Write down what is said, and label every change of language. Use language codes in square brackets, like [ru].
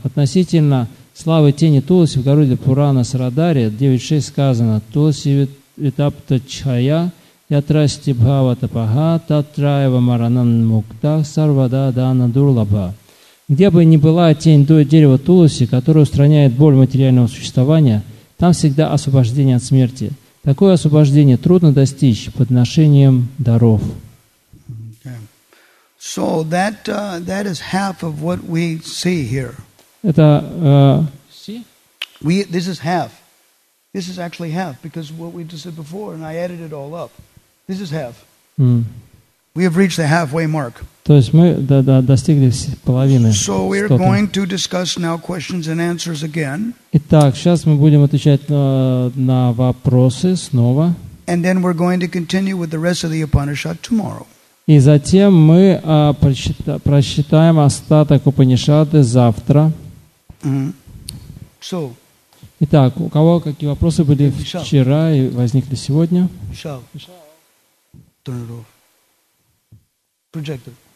[ru] Относительно славы тени Туласи в Гаруде Пурана Сарадаре 9.6 сказано [sa] «Туласи Витапта Чхая Ятрасти Бхава Тапага Татраева Маранан Мукта Сарвада Дана Дурлаба». [ru] Где бы ни была тень дерева Туласи, которая устраняет боль материального существования, там всегда освобождение от смерти. Такое освобождение трудно достичь подношением даров. [en] So that that is half of what we see here. [ru] Это [en] see? This is half. This is actually half because what we just said before, and I added it all up. This is half. We have reached the halfway mark. [ru] То есть мы достигли половины. [en] So we are going to discuss now questions and answers again. [ru] Итак, сейчас мы будем отвечать на вопросы снова. [en] And then we're going to continue with the rest of the Upanishad tomorrow. [ru] И затем мы прочитаем остаток Упанишады завтра. [en] So. [ru] Итак, у кого какие вопросы были вчера и возникли сегодня? [en] Shall. Turn it off. Projector.